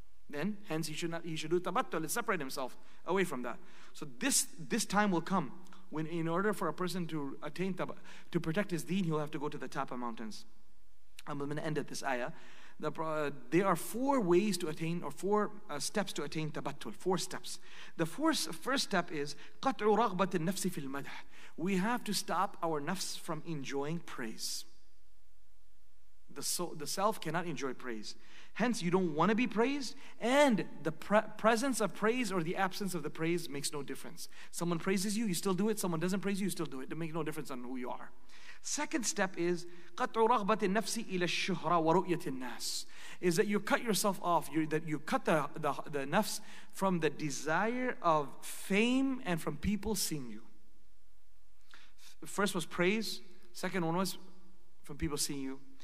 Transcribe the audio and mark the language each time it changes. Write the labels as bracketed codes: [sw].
[en] Then, hence, he should do tabattul and separate himself away from that. So this time will come when, in order for a person to attain to protect his deen, he'll have to go to the top of mountains. I'm going to end at this ayah. There are four ways to attain, or four steps to attain tabattul. Four steps. The first step is [ar] قَطْعُ رَغْبَةِ النَّفْسِ فِي الْمَدْحِ. [en] We have to stop our nafs from enjoying praise. The self cannot enjoy praise. Hence, you don't want to be praised, and the presence of praise or the absence of the praise makes no difference. Someone praises you, you still do it. Someone doesn't praise you, you still do it. It makes no difference on who you are. Second step is [ar] قَطْعُ رَغْبَةِ النَّفْسِ إِلَى الشُّهْرَ وَرُؤْيَةِ النَّاسِ. [en] Is that you cut yourself off, you cut the nafs from the desire of fame and from people seeing you. First was praise. Second one was from people seeing you.